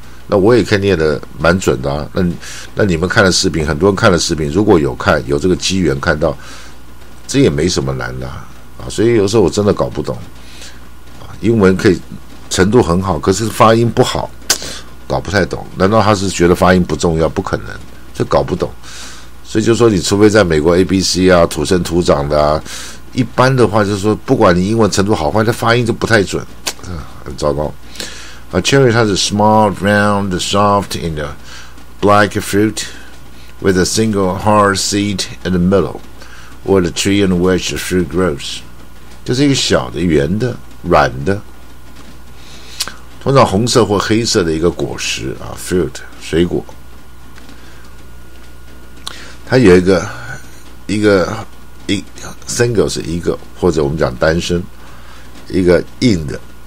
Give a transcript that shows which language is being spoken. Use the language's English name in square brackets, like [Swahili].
[Chinese] 那我也看念的蛮准的啊，那你们看的视频，很多人看的视频，如果有看有这个机缘看到，这也没什么难的 所以有时候我真的搞不懂啊，英文可以程度很好，可是发音不好，搞不太懂。难道他是觉得发音不重要？不可能，这搞不懂。所以就说你除非在美国 ABC 啊，土生土长的啊，一般的话就是说，不管你英文程度好坏，它发音就不太准，很糟糕。 [English] A cherry has a small, round, soft, and black fruit with a single hard seed in the middle where the tree in which the fruit grows. [Chinese] 就是一个小的、圆的、软的，通常红色或黑色的一个果实啊 ，fruit 水果。它有一个 single 是一个，或者我们讲单身，一个硬的。